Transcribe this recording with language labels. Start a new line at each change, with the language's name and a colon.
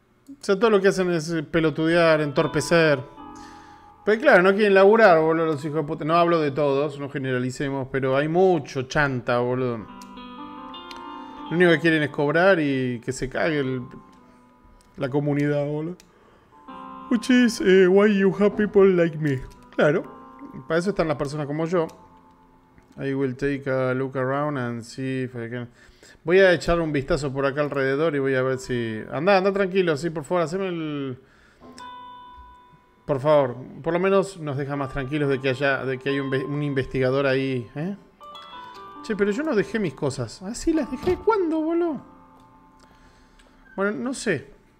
Spanish: O sea, todo lo que hacen es pelotudear, entorpecer. Pues claro, no quieren laburar, boludo, los hijos de puta. No hablo de todos, no generalicemos, pero hay mucho chanta, boludo. Lo único que quieren es cobrar y que se cague la comunidad, boludo.
English: Which is why you have people like me.
Spanish: Claro, para eso están las personas como yo.
English: I will take a look around and see if I can...
Spanish: Voy a echar un vistazo por acá alrededor y voy a ver si... Anda tranquilo, sí, por favor, haceme el... Por favor, por lo menos nos deja más tranquilos de que haya, de que hay un investigador ahí, ¿eh? Che, pero yo no dejé mis cosas. ¿Ah, sí las dejé? ¿Cuándo, boludo? Bueno, no sé.